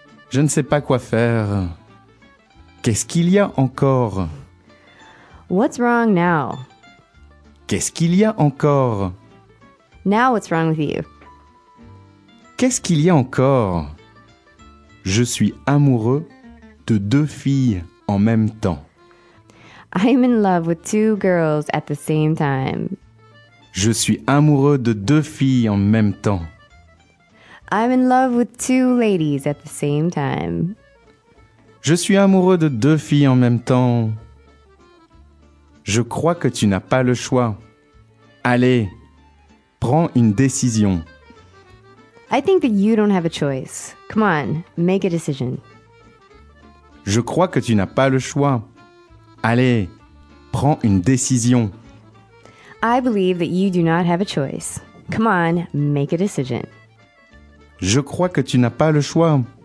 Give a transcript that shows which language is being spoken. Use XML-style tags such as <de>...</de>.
<fr>Je ne sais pas quoi faire. Qu'est-ce qu'il y a encore?</fr> <en>What's wrong now?</en> <fr>Qu'est-ce qu'il y a encore?</fr> <en>Now what's wrong with you?</en> <fr>Qu'est-ce qu'il y a encore? Je suis amoureux de 2 filles en même temps.</fr> <en>I'm in love with 2 girls at the same time.</en> <fr>Je suis amoureux de 2 filles en même temps.</fr> <en>I'm in love with 2 ladies at the same time.</en> <fr>Je suis amoureux de 2 filles en même temps. Je crois que tu n'as pas le choix. Allez, prends une décision.</fr> <en>I think that you don't have a choice. Come on, make a decision.</en> <fr>Je crois que tu n'as pas le choix. Allez, prends une décision.</fr> <en>I believe that you do not have a choice. Come on, make a decision.</en> <fr>Je crois que tu n'as pas le choix.</fr>